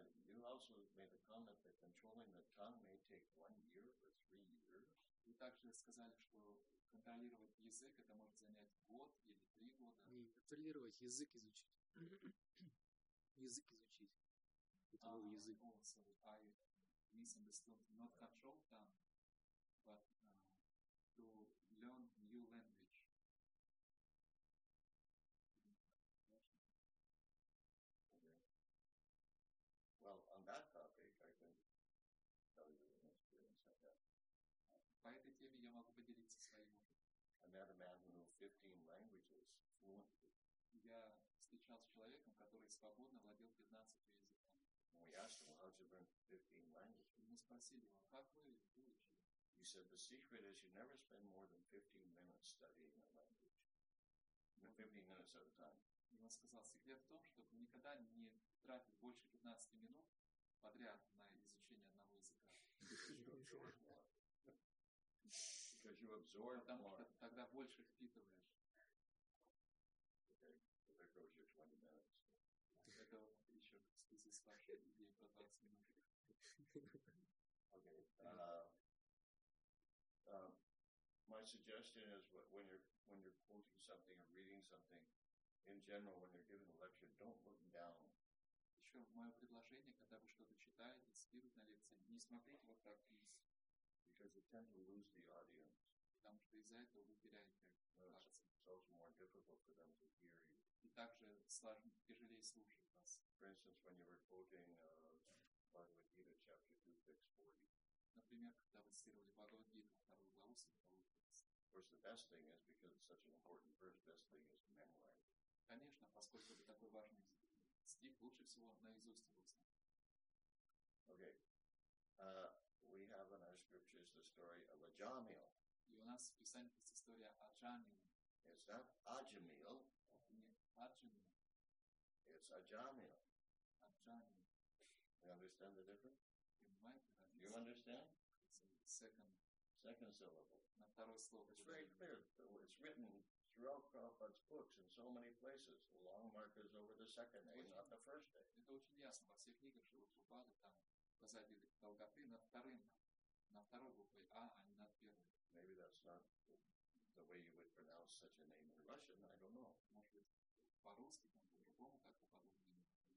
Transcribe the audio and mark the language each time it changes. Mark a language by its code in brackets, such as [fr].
[en] You also made a comment that controlling the tongue may take 1 year or 3 years. [ru] Вы также сказали, что контролировать язык это может занять год или три года. Не контролировать, язык изучить. Язык изучить. Это был язык. [en] Oh, so I misunderstood. Not control tongue. But to learn new language. Okay. Well, on that topic, I can tell you an experience I had. I met a man who knew 15 languages fluently. [ru] Я встречался с человеком, который свободно владел 15 языками. [en] And we asked him, how did you learn 15 languages? [ru] Мы спросили его, как вы выучили? [en] He said, the secret is you never spend more than 15 minutes studying a language. No, 15 minutes at a time. [ru] И он сказал, секрет в том, чтобы никогда не тратить больше 15 минут подряд на изучение одного языка. [en] Because you absorb more. [ru] Потому что тогда больше впитываешь. [en] Okay, so there goes your 20 minutes. [ru] Это еще в связи с вашей идеей про 20 минут. [en] Okay, my suggestion is when you're quoting something or reading something, in general, when you're giving a lecture, don't look down. [ru] Еще мое предложение, когда вы что-то читаете, цитируете на лекции, не смотрите вот так вниз. [en] Because you tend to lose the audience. [ru] Потому что из-за этого вы теряете аудиторию. [en] It's also more difficult for them to hear you. [ru] И также тяжелее слушать вас. [en] For instance, when you were quoting Bhagavad Gita chapter 2, verse 40. [ru] Например, когда вы цитировали Бхагавад-гиту, вторую главу Святого Текста. [en] Of course, the best thing is, because it's such an important verse, best thing is to memorize. [ru] Конечно, поскольку это такой важный стих, лучше всего наизусть его знать. [en] Okay. We have in our scriptures the story of Ajamil. [ru] И у нас в Писании есть история Аджамила. [en] It's not Ajamil. [ru] Нет, Аджамил. [en] It's Ajamil. [ru] Аджамил. [en] You understand the difference? You understand? It's a second syllable. [ru] На второй слово. [en] It's very clear. It's written throughout Prabhupada's books in so many places. The long markers over the second A, not the first A. [ru] Это очень ясно во всех книгах, что Прабхупада там позади долготы над вторым, на второй буквой А, а не над первой. [en] Maybe that's not the way you would pronounce such a name in Russian. I don't know. [ru] Может быть по-русски там по-другому как бы подобное имя.